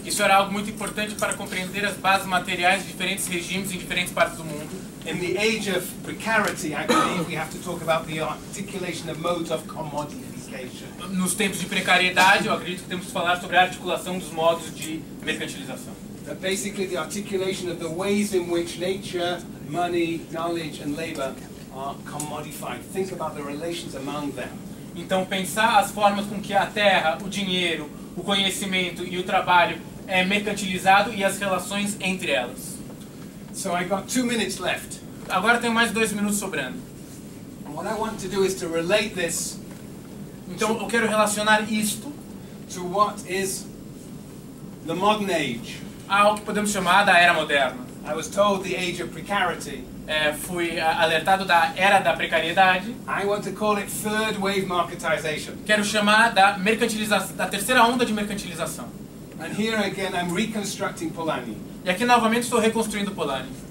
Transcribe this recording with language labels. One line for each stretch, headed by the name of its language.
Portuguese: Isso era algo muito importante para compreender as bases materiais de diferentes regimes em diferentes partes do mundo.
English: In the age of precarity, I believe we have to talk about the articulation of modes of commodity.
Portuguese: Nos tempos de precariedade, eu acredito que temos que falar sobre a articulação dos modos de mercantilização.
English: That basically the articulation of the ways in which nature, money, knowledge and labor are commodified. Think about the relations among them.
Portuguese: Então pensar as formas com que a terra, o dinheiro, o conhecimento e o trabalho é mercantilizado e as relações entre elas.
English: So I got 2 minutes left.
Portuguese: Agora tenho mais 2 minutos sobrando.
English: And what I want to do is to relate this.
Portuguese: Então eu quero relacionar isto
English: to what is the modern age.
Portuguese: Ao que podemos chamar da era moderna.
English: I was told the age of precarity.
Portuguese: Fui alertado da era da precariedade.
English: I want to call it third wave marketization.
Portuguese: Quero chamar da mercantilização, da terceira onda de mercantilização.
English: And here again I'm reconstructing Polanyi.
Portuguese: E aqui novamente estou reconstruindo Polanyi.